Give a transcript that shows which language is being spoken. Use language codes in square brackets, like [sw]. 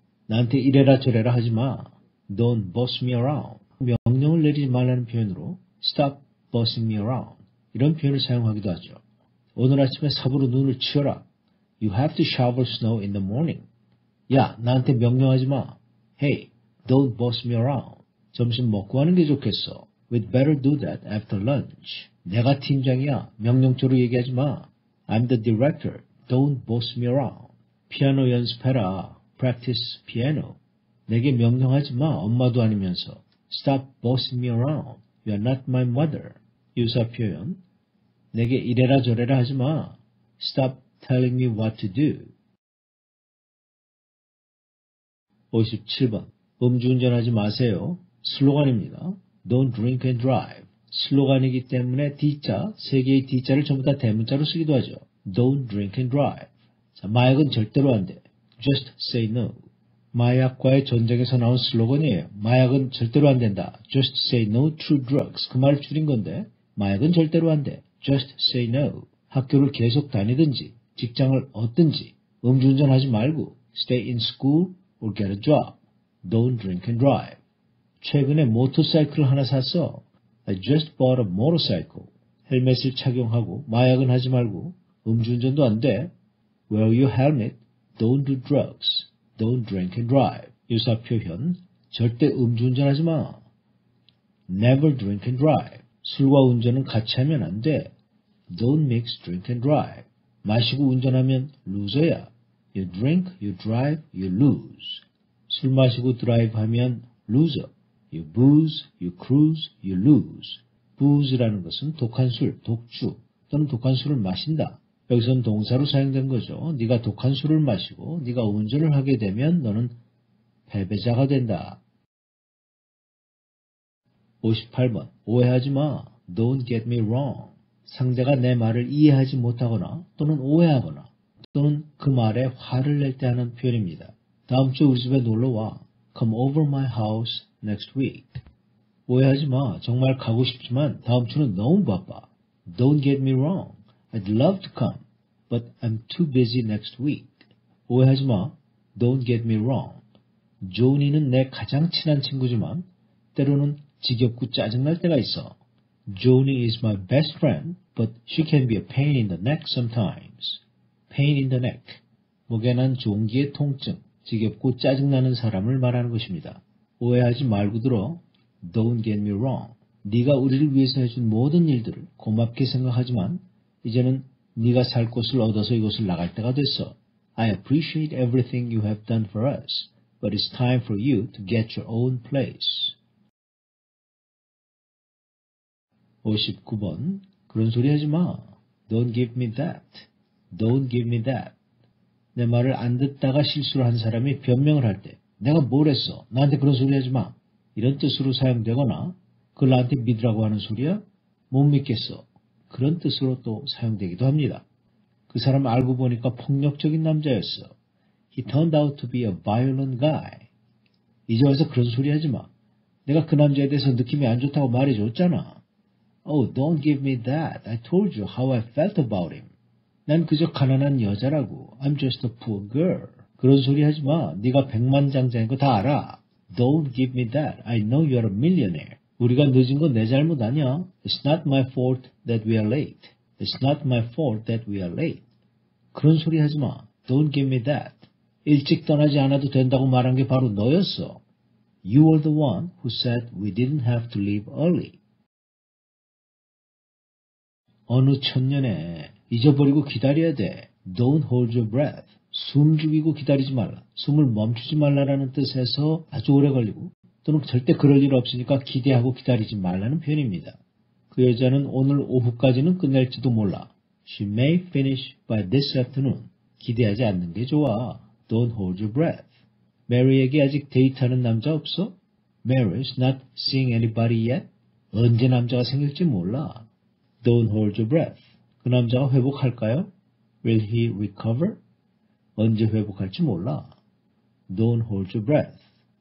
[ko] 나한테 이래라 저래라 하지 마. [en] Don't boss me around. [ko] 명령을 내리지 말라는 표현으로 [en] Stop bossing me around. [ko] 이런 표현을 사용하기도 하죠. 오늘 아침에 삽으로 눈을 치워라. [en] You have to shovel snow in the morning. [ko] 야, 나한테 명령하지 마. [en] Hey, don't boss me around. [ko] 점심 먹고 하는 게 좋겠어. [en] We'd better do that after lunch. [ko] 내가 팀장이야. 명령처로 얘기하지 마. [en] I'm the director. Don't boss me around. [ko] 피아노 연습해라. [en] Practice piano. [ko] 내게 명령하지 마. 엄마도 아니면서. [en] Stop bossing me around. You are not my mother. [ko] 유사 표현. 내게 이래라 저래라 하지 마. [en] Stop telling me what to do. [ko] 57번. 음주운전하지 마세요. 슬로건입니다. [en] Don't drink and drive. [ko] 슬로건이기 때문에 D자, 세 개의 D자를 전부 다 대문자로 쓰기도 하죠. [en] Don't drink and drive. [ko] 자, 마약은 절대로 안 돼. [en] Just say no. [ko] 마약과의 전쟁에서 나온 슬로건이에요. 마약은 절대로 안 된다. [en] Just say no to drugs. [ko] 그 말을 줄인 건데. 마약은 절대로 안 돼. [en] Just say no. [ko] 학교를 계속 다니든지, 직장을 얻든지, 음주운전 하지 말고, [en] stay in school or get a job. Don't drink and drive. [ko] 최근에 모터사이클을 하나 샀어. [en] I just bought a motorcycle. [ko] 헬멧을 착용하고, 마약은 하지 말고, 음주운전도 안 돼. [en] Wear your helmet. Don't do drugs. Don't drink and drive. [ko] 유사 표현. 절대 음주운전하지 마. [en] Never drink and drive. [ko] 술과 운전은 같이 하면 안 돼. [en] Don't mix drink and drive. [ko] 마시고 운전하면 루저야. [en] You drink, you drive, you lose. [ko] 술 마시고 드라이브하면 루저. [en] You booze, you cruise, you lose. [ko] Booze라는 것은 독한 술, 독주 또는 독한 술을 마신다. 여기서는 동사로 사용된 거죠. 네가 독한 술을 마시고 네가 운전을 하게 되면 너는 패배자가 된다. 58번. 오해하지 마. [en] Don't get me wrong. [ko] 상대가 내 말을 이해하지 못하거나 또는 오해하거나 또는 그 말에 화를 낼 때 하는 표현입니다. 다음 주 우리 집에 놀러 와. [en] Come over my house next week. [ko] 오해하지 마. 정말 가고 싶지만 다음 주는 너무 바빠. [en] Don't get me wrong. I'd love to come, but I'm too busy next week. [ko] 오해하지 마. [en] Don't get me wrong. [ko] 조니는 내 가장 친한 친구지만 때로는 지겹고 짜증날 때가 있어. [en] Joni is my best friend, but she can be a pain in the neck sometimes. Pain in the neck. [ko] 목에 난 종기의 통증, 지겹고 짜증나는 사람을 말하는 것입니다. 오해하지 말고 들어. Don't get me wrong. 네가 우리를 위해서 해준 모든 일들을 고맙게 생각하지만 이제는 네가 살 곳을 얻어서 이곳을 나갈 때가 됐어. [en] I appreciate everything you have done for us, but it's time for you to get your own place. [ko] 59번. 그런 소리 하지 마. [en] Don't give me that. Don't give me that. [ko] 내 말을 안 듣다가 실수를 한 사람이 변명을 할 때, 내가 뭘 했어? 나한테 그런 소리 하지 마. 이런 뜻으로 사용되거나, 그걸 나한테 믿으라고 하는 소리야? 못 믿겠어. 그런 뜻으로 또 사용되기도 합니다. 그 사람 알고 보니까 폭력적인 남자였어. [en] He turned out to be a violent guy. [ko] 이제 와서 그런 소리 하지 마. 내가 그 남자에 대해서 느낌이 안 좋다고 말해줬잖아. [en] Oh, don't give me that. I told you how I felt about him. [ko] 난 그저 가난한 여자라고. [en] I'm just a poor girl. [ko] 그런 소리 하지 마. 네가 백만장자인 거 다 알아. [en] Don't give me that. I know you're a millionaire. [ko] 우리가 늦은 건 내 잘못 아니야. [en] It's not my fault that we are late. It's not my fault that we are late. [ko] 그런 소리 하지 마. [en] Don't give me that. [ko] 일찍 떠나지 않아도 된다고 말한 게 바로 너였어. [en] You were the one who said we didn't have to leave early. [ko] 어느 천년에 잊어버리고 기다려야 돼. [en] Don't hold your breath. [ko] 숨 죽이고 기다리지 말라. 숨을 멈추지 말라라는 뜻에서 아주 오래 걸리고 또는 절대 그럴 일 없으니까 기대하고 기다리지 말라는 표현입니다. 그 여자는 오늘 오후까지는 끝낼지도 몰라. [en] She may finish by this afternoon. [ko] 기대하지 않는 게 좋아. [en] Don't hold your breath. [ko] Mary에게 아직 데이트하는 남자 없어? [en] Mary's not seeing anybody yet. [ko] 언제 남자가 생길지 몰라. [en] Don't hold your breath. [ko] 그 남자가 회복할까요? [en] Will he recover? [ko] 언제 회복할지 몰라. [en] Don't hold your breath.